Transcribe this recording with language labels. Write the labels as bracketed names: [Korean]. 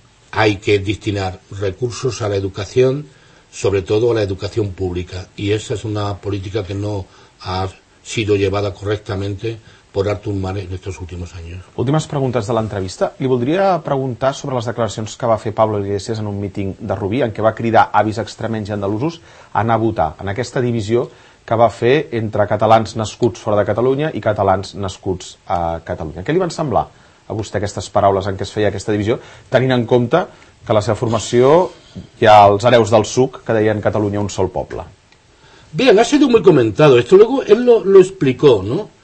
[Spanish] Hay que destinar recursos a la educación, sobre todo a la educación pública, y esa es una política que no ha sido llevada correctamente por Artur Mas en estos últimos años. Últimas preguntas de la entrevista. [Catalan] Li voldria preguntar sobre les declaracions que va fer Pablo Iglesias en un míting de Rubí, en què va cridar avis extremenys i andalusos a anar a votar, en aquesta divisió que va fer entre catalans nascuts fora de Catalunya i catalans nascuts a Catalunya. Què li van semblar a vostè aquestes paraules en què es feia aquesta divisió, tenint en compte que la seva formació hi ha els hereus del suc que deien Catalunya un sol poble? [Spanish] Bien, ha sido muy comentado. Esto luego él lo explicó, ¿no?